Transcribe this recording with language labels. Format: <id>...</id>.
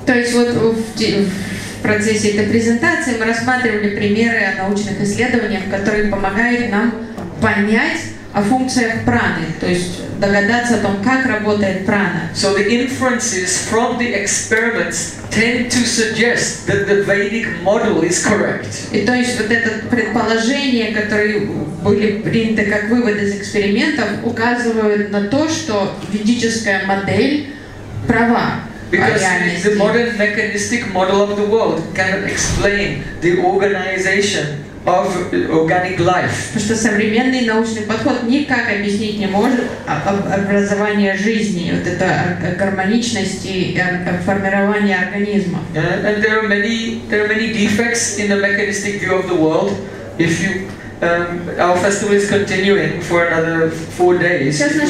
<ru>То есть вот в процессе этой презентации мы рассматривали примеры о научных исследованиях, которые помогают нам понять о функциях праны, то есть догадаться о том, как работает прана.</ru> <en>So the inferences from the experiments tend to suggest that the Vedic model is correct.</en> <ru>И то есть вот это предположение, которое были приняты как выводы из экспериментов, указывают на то, что ведическая модель права.</ru> <en>Because the modern mechanistic model of the world cannot explain the organization of organic life.</en> <ru>Потому что современный научный подход никак объяснить не может образование жизни, вот это гармоничности формирования организма.</ru> <en>And there are many defects in the mechanistic view of the world. If you our festival is continuing for another 4 days.</en>